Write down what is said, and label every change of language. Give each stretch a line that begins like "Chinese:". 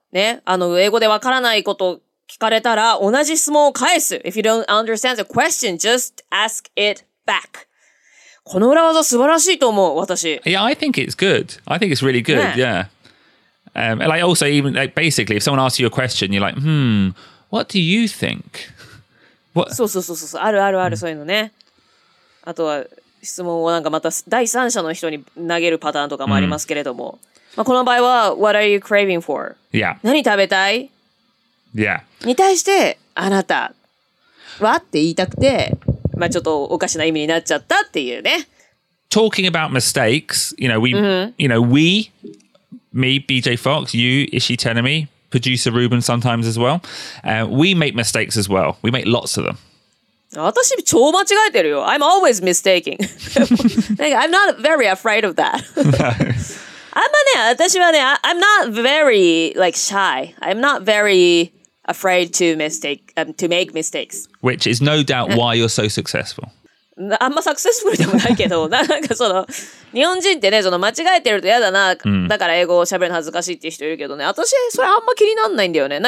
Japanese: ね、あの英語でわからないことを聞かれたら同じ質問を返す。
English: If you don't understand the question, just ask it back.
Japanese: この裏技素晴らしいと思う私。
English: Yeah, I think it's good. I think it's really good.、ね、yeah. And like also even like basically if someone asks you a question, you're like, what do you think? What?
Japanese: そうそうそうそう、あるあるある、そういうのね。あとは質問をなんかまた第三者の人に投げるパターンとかもありますけれども。
English: まあ、この場合は What are you craving for? Yeah.
Japanese: 何食べたい?
English: Yeah.
Japanese: に対してあなたはって言いたくて、まあ、ちょっとおかしな意味になっちゃったっていうね。
English: Talking about mistakes, you know, we, me, BJ Fox, you, Ishii Tenami, producer Ruben sometimes as well, we make mistakes as well. We make lots of them. 私超間違えてるよ。 I'm always mistaking. Like, I'm not very afraid of that. あんまね、私はね、 I'm not very like shy. I'm not very afraid to mistake, to make mistakes. Which is no doubt why you're so successful.
Japanese: あんまサクセスフルでもないけど、なんかその日本人ってね、その間違えてると嫌だな、だから英語を喋るの恥ずかしいっていう人いるけどね、私それあんま気になんないんだよね。